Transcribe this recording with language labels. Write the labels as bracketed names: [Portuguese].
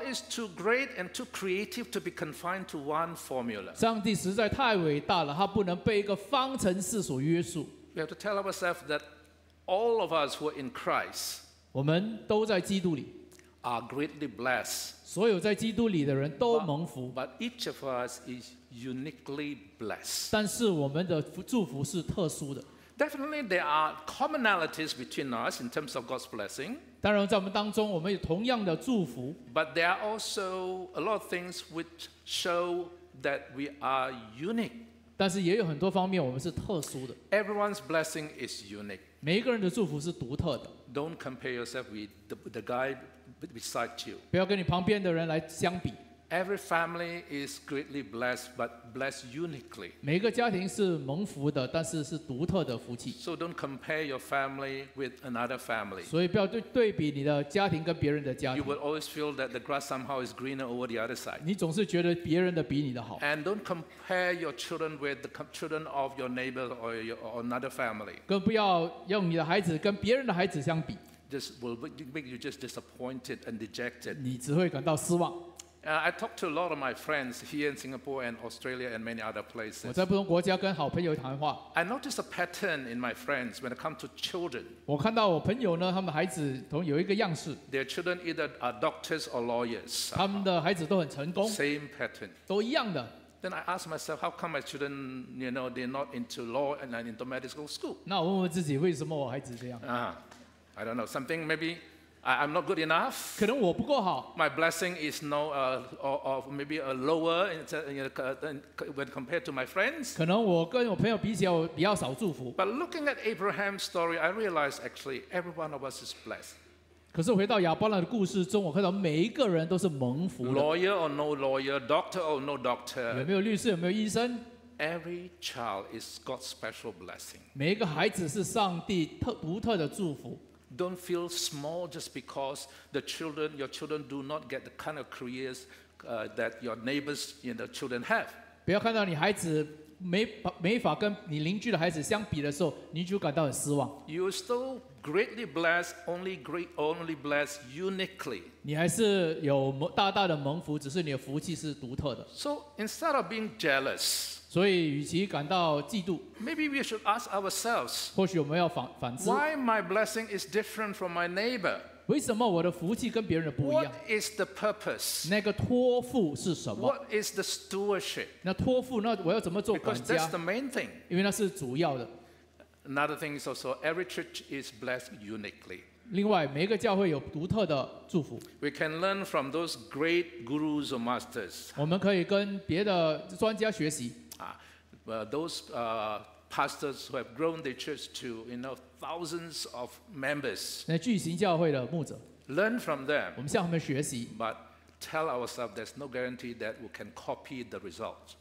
[English] is too great and too creative to be confined to one formula. [Chinese] 上帝实在太伟大了，他不能被一个方程式所约束。We [English] have to tell ourselves that all of us who are in Christ, [Chinese] 我们都在基督里， [English] are greatly blessed. [Chinese] 所有在基督里的人都蒙福。 [English] But each of us is uniquely blessed. [Chinese] 但是我们的祝福是特殊的。 [English] Definitely, there are commonalities between us in terms of God's blessing. [Chinese] 当然，在我们当中，我们有同样的祝福。 [English] But there are also a lot of things which show that we are unique. [Chinese] 但是也有很多方面我们是特殊的。 [English] Everyone's blessing is unique. [Chinese] 每一个人的祝福是独特的。 [English] Don't compare yourself with the guy beside you. [Chinese] 不要跟你旁边的人来相比。 [English] Every family is greatly blessed, but blessed uniquely. [Chinese] 每个家庭是蒙福的，但是是独特的福气。 [English] So don't compare your family with another family. [Chinese] 所以不要对比你的家庭跟别人的家庭。 [English] You will always feel that the grass somehow is greener over the other side. [Chinese] 你总是觉得别人的比你的好。 [English] And don't compare your children with the children of your neighbor or another family. [Chinese] 更不要用你的孩子跟别人的孩子相比。 [English] This will make you just disappointed and dejected. [Chinese] 你只会感到失望。 [English] I talk to a lot of my friends here in Singapore and Australia and many other places. [Chinese] 我在不同国家跟好朋友谈话。 [English] I notice a pattern in my friends when it comes to children. [Chinese] 我看到我朋友呢，他们孩子同有一个样式。 [English] Their children either are doctors or lawyers. [Chinese] 他们的孩子都很成功。 [English] Same pattern. [Chinese] 都一样的。 [English] Then I ask myself, how come my children, you know, they're not into law and not into medical school? [Chinese] 那我问问自己，为什么我孩子这样？ [English] I don't know. Something maybe. I'm not good enough. [Chinese] 可能我不够好。 [English] My blessing is no, or maybe a lower when compared to my friends. [Chinese] 可能我跟我朋友比起来，我比较少祝福。 [English] But looking at Abraham's story, I realized actually every one of us is blessed. [Chinese] 可是回到亚伯拉的故事中，我看到每一个人都是蒙福的。 [English] Lawyer or no lawyer, doctor or no doctor. [Chinese] 有没有律师？有没有医生？ [English] Every child is God's special blessing. [Chinese] 每一个孩子是上帝独特的祝福。 [English] Don't feel small just because the children, your children do not get the kind of careers that your neighbors, you know, children have. [Chinese] 不要看到你孩子没法跟你邻居的孩子相比的时候，你就感到很失望。 [English] You are still greatly blessed, only blessed uniquely. [Chinese] 你还是有大大的蒙福，只是你的福气是独特的。 [English] So instead of being jealous, [Chinese] 所以与其感到嫉妒， [English] maybe we should ask ourselves, [Chinese] 或许我们要反思， [English] why my blessing is different from my neighbor? [Chinese] 为什么我的福气跟别人的不一样？ [English] What is the purpose? [Chinese] 那个托付是什么？ [English] What is the stewardship? [Chinese] 那托付，那我要怎么做管家？ [English] Because that's the main thing. [Chinese] 因为那是主要的。 [English] Another thing is also every church is blessed uniquely. [Chinese] 另外，每一个教会有独特的祝福。 [English] We can learn from those great gurus or masters. [Chinese] 我们可以跟别的专家学习。 [English] Those pastors who have grown their church to, you know, thousands of members. [Chinese] 那巨型教会的牧者。 [English] Learn from them. [Chinese] 我们向他们学习。 [English] But tell ourselves there's no guarantee that we can copy the results.